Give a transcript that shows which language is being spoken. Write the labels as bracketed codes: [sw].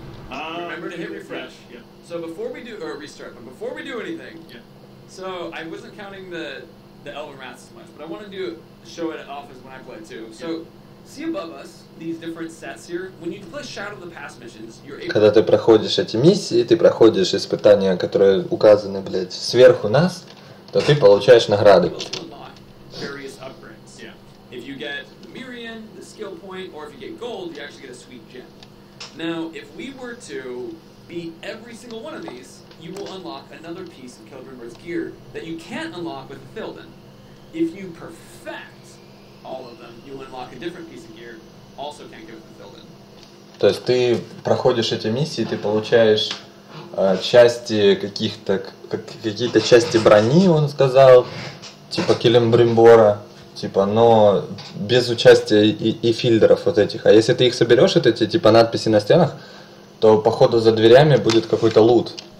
[en] Remember to hit refresh. Yeah. So before we do restart, but before we do anything, yeah. So I wasn't counting the Elven Wrath as much, but I want to show it off as when I play too. So see above us these different sets here. When you play Shadow of the Past missions, you're able. [ru] Когда ты проходишь эти миссии, ты проходишь испытания, которые указаны, блядь, сверху нас, то ты получаешь награды. [en] Various upgrades. Yeah. If you get Mirian, the skill point, or if you get gold, you actually get a sweet gem. Now, if we were to beat every single one of these, you will unlock another piece of Celebrimbor's gear that you can't unlock with the Théoden. If you perfect all of them, you unlock a different piece of gear, also can't get with the Théoden. [ru] То есть ты проходишь эти миссии, ты получаешь части каких-то, какие-то части брони, он сказал, типа Келебримбора. Типа, но без участия и фильдеров вот этих. А если ты их соберешь, вот эти типа надписи на стенах, то походу за дверями будет какой-то лут.